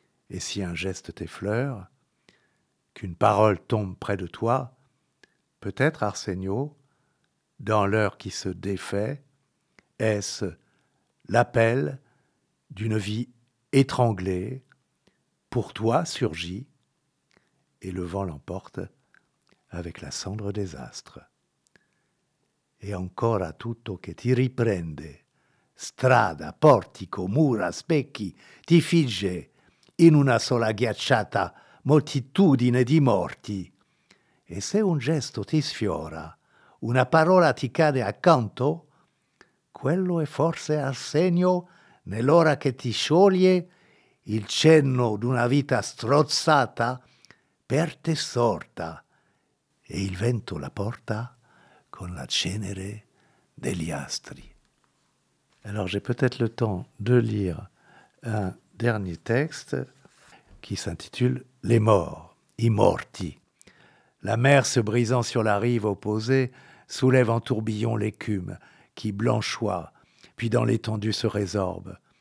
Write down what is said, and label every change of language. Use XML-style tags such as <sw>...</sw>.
<fr>Et si un geste t'effleure, qu'une parole tombe près de toi, peut-être, Arsenio, dans l'heure qui se défait, est-ce l'appel d'une vie étranglée, pour toi surgit, et le vent l'emporte avec la cendre des astres.</fr> <it>Et ancora tutto che ti riprende, strada, portico, mura, specchi, ti figge in una sola ghiacciata moltitudine di morti. E se un gesto ti sfiora, una parola ti cade accanto, quello è forse Arsenio nell'ora che ti scioglie il cenno d'una vita strozzata per te sorta. E il vento la porta con la cenere degli astri.</it> <fr>Alors, j'ai peut-être le temps de lire un dernier texte qui s'intitule « Les morts,</fr> <it>i morti ».</it> <fr>La mer se brisant sur la rive opposée soulève en tourbillon l'écume qui blanchoit, puis dans l'étendue se résorbe.</fr>